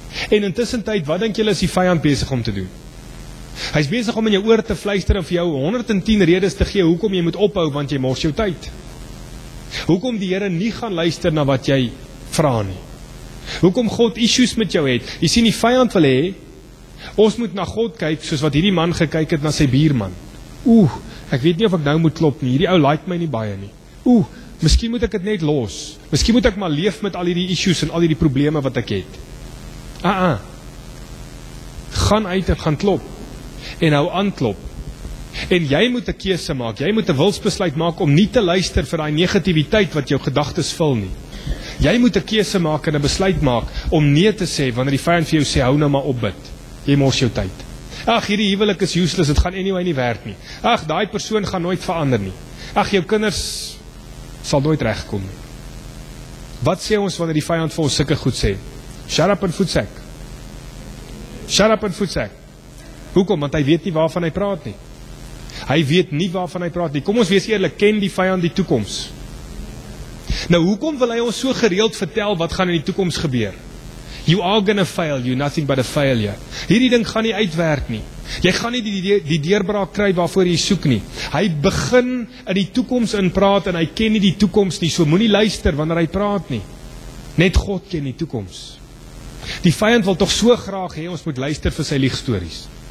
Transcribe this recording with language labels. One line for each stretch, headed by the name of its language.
Afrikaans: En intussen tyd, wat denk julle is die vyand besig om te doen? Hy is besig om in jou oor te fluister en vir jou 110 redes te gee hoekom jy moet ophou, want jy mors jou tyd. Hoekom die Here nie gaan luister na wat jy vra nie. Hoekom God issues met jou het. Jy sien die vyand wil hê, ons moet na God kyk soos wat hierdie man gekyk het na sy bierman. Oeh, ek weet nie of ek nou moet klop nie, hierdie ou like my nie baie nie. Oeh, miskien moet ek het net los. Miskien moet ek maar leef met al hierdie issues en al hierdie probleme wat ek het. Gaan uit en gaan klop. En hou aan klop. En jy moet 'n keuse maak, jy moet 'n wilsbesluit maak om nie te luister vir die negativiteit wat jou gedagtes vul nie. Jy moet 'n keuse maak en 'n besluit maak om nee te sê wanneer die vyand vir jou sê, hou nou maar op bid. Jy mors jou tyd. Ag, hierdie huwelik is useless, dit gaan anyway nie werk nie. Ag, daai persoon gaan nooit verander nie. Ag, jou kinders sal nooit regkom nie. Wat sê ons wanneer die vyand vir ons sulke goed sê?
English: Shut up and footsack.
Afrikaans: Shut up and footsack. Hoekom? Want hy weet nie waarvan hy praat nie. Hy weet nie waarvan hy praat nie. Kom ons wees eerlik, ken die vyand die toekoms? Nou, hoekom wil hy ons so gereeld vertel wat gaan in die toekoms gebeur?
English: You are gonna fail, you nothing but a failure.
Afrikaans: Hierdie ding gaan nie uitwerk nie. Jy gaan nie die deurbraak kry waarvoor jy soek nie. Hy begin in die toekoms in praat en hy ken nie die toekoms nie, so moenie luister wanneer hy praat nie. Net God ken die toekoms. Die vyand wil toch so graag hê ons moet luister vir sy liegstories.